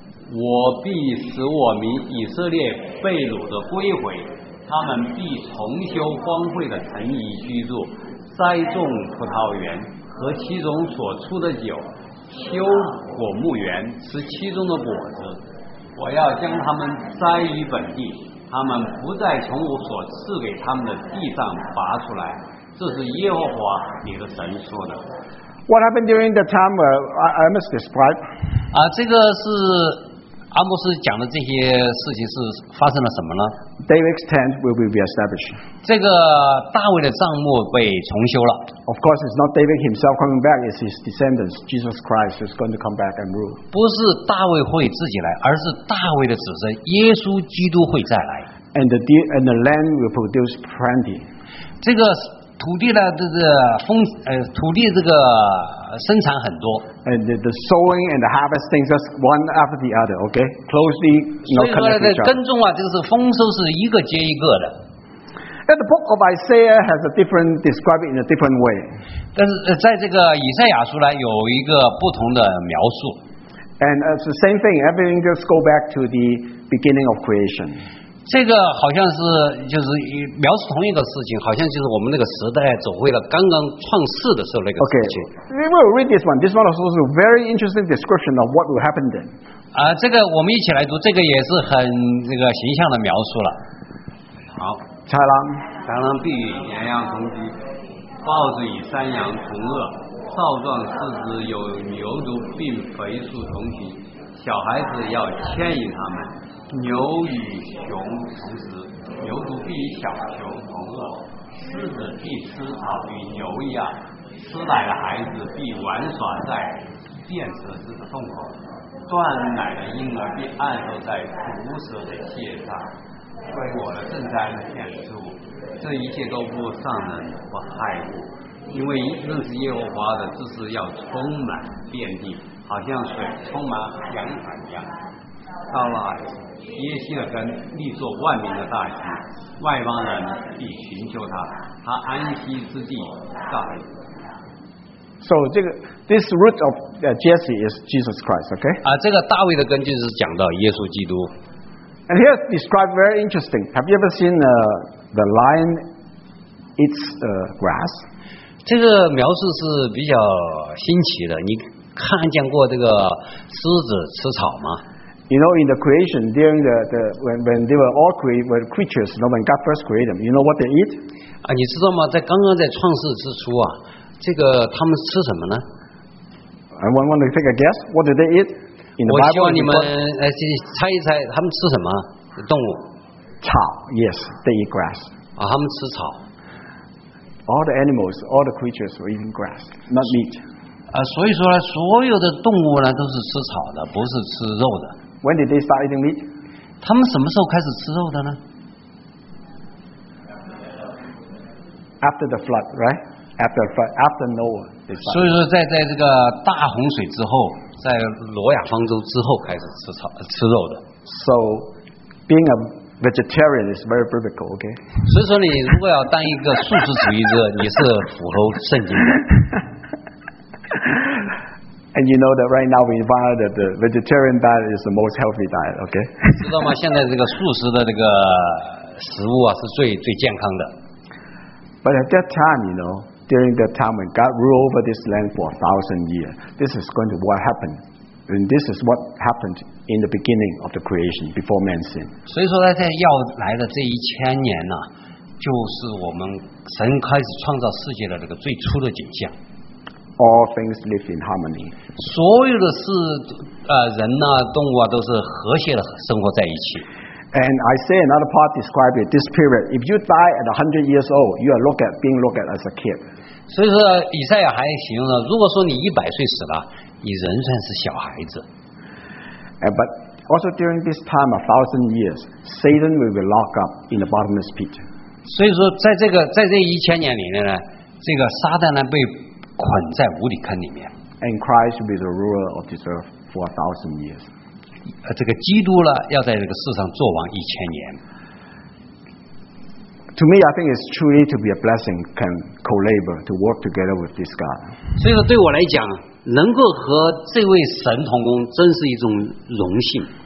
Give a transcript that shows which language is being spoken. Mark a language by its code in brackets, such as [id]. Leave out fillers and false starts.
[zh] 我必使我民以色列被掳的归回，他们必重修荒废的城邑居住，栽种葡萄园和其中所出的酒，修果木园吃其中的果子。我要将他们栽于本地，他们不再从我所赐给他们的地上拔出来。这是耶和华你的神说的。 [en] What happened during the time I must describe? [zh] 这个是阿摩斯讲的这些事情是发生了什么呢？ [en] David's tent will be reestablished. [zh] 这个大卫的帐幕被重修了。 [en] Of course, it's not David himself coming back, it's his descendants, Jesus Christ, who's going to come back and rule. [zh] 不是大卫会自己来，而是大卫的子孙耶稣基督会再来。 [en] And the land will produce plenty. [zh] 这个土地呢，土地这个生产很多。 [en] And the sowing and the harvesting just one after the other, okay? Closely, no connection. [zh] 所以说，耕种啊，这个是丰收是一个接一个的。 [en] And the book of Isaiah has a different describe it in a different way. [zh] 但是在这个以赛亚书呢，有一个不同的描述。 [en] And it's the same thing. Everything just go back to the beginning of creation. [zh] 这个好像是就是描述同一个事情，好像就是我们那个时代走回了刚刚创世的时候那个事情。 [en] Okay, we will read this one. This one also is a very interesting description of what will happen then. [zh] 这个我们一起来读，这个也是很这个形象的描述了。好，豺狼，豺狼必与绵羊同居，豹子与山羊同饿，少壮狮子有牛犊并肥畜同行，小孩子要牵引他们。牛与熊同食，牛犊必与小熊同饿，狮子必吃草与牛一样，吃奶的孩子必玩耍在电蛇之洞口，断奶的婴儿必按手在毒蛇的蟹上，为我的圣山献祭，这一切都不尚能不害我，因为认识耶和华的知识要充满遍地，好像水充满洋海一样。到了耶西的根立作万民的大旗，外邦人必寻求他，他安息之地在。 [en] So 这个 this root of Jesse is Jesus Christ, okay? [zh] 这个大卫的根就是讲到耶稣基督。 [en] And here it's described very interesting. Have you ever seen the lion eats grass? [zh] 这个描述是比较新奇的。你看见过这个狮子吃草吗？ [en] You know, in the creation, during when they were all created, were creatures, you know, when God first created them, you know what they eat? [zh] 你知道吗？在刚刚在创世之初啊，这个他们吃什么呢？ [en] I want to take a guess. What did they eat? In the Bible, [zh] 我希望你们去猜一猜他们吃什么动物。草 [en] ，yes, they eat grass. [zh] 啊，他们吃草。 [en] All the animals, all the creatures were eating grass, not meat. [zh] 啊，所以说呢，所有的动物呢都是吃草的，不是吃肉的。 [en] When did they start eating meat? [zh] 他们什么时候开始吃肉的呢？ [en] After the flood, right? After the flood, after Noah. [zh] 所以说在这个大洪水之后，在挪亚方舟之后开始吃草吃肉的。 [en] So being a vegetarian is very biblical, okay? [zh] 所以说你如果要当一个素食主义者，你是符合圣经的。 [en] And you know that right now we find that the vegetarian diet is the most healthy diet, okay? [zh] 知道吗？现在这个素食的这个食物啊，是最健康的。 [en] But at that time, you know, during that time when God ruled over this land for 1,000 years, this is going to what happened. And this is what happened in the beginning of the creation, before man sinned. [zh] 所以说在要来的这一千年呢，就是我们神开始创造世界的这个最初的景象。 [en] All things live in harmony. [zh] 所有的事，人呢，动物啊，都是和谐的生活在一起。 [en] And I say another part describe it, this period. If you die at 100 years old, you are being looked at as a kid. [zh] 所以说以赛亚还形容了，如果说你100岁死了，你仍算是小孩子。 [en] And but also during this time, 1,000 years, Satan will be locked up in the bottomless pit. [zh] 所以说在这一千年里面呢，这个撒旦呢被捆在无底坑里面。 [en] And Christ will be the ruler of this earth for 1,000 years. [zh] 这个基督呢要在这个世上做王一千年。 [en] To me, I think it's truly to be a blessing can co-labor to work together with this God. [zh] 所以说对我来讲，能够和这位神同工真是一种荣幸。